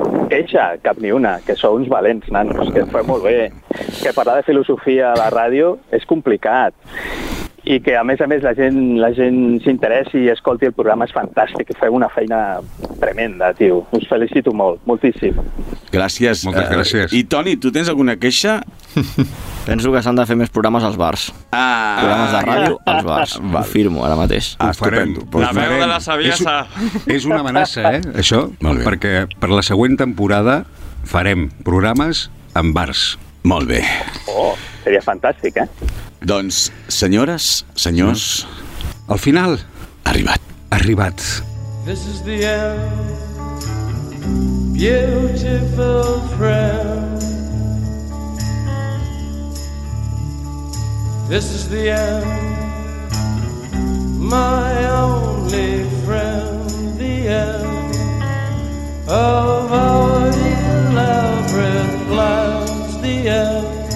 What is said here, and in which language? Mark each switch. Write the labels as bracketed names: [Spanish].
[Catalan] Queixa, cap ni una, que sou uns valents, nanos, que fa molt bé. Que parlar de filosofia a la ràdio és complicat. I que, a més, la gent s'interessi i escolti el programa, és fantàstic. Feu una feina tremenda, tio. Us felicito molt, moltíssim. Gràcies. Moltes gràcies. I, Toni, tu tens alguna queixa? Penso que s'han de fer més programes als bars. Programes de ràdio als bars. Ho firmo ara mateix. Estupendo. La veu de la saviesa. És una amenaça, això. Molt bé. Perquè per la següent temporada farem programes en bars. Molt bé. Oh, seria fantàstic, eh? Doncs, senyores, senyors, al final, arribat. [English] This is the end, beautiful friend. This is the end, my only friend, the end of our elaborate plans, the end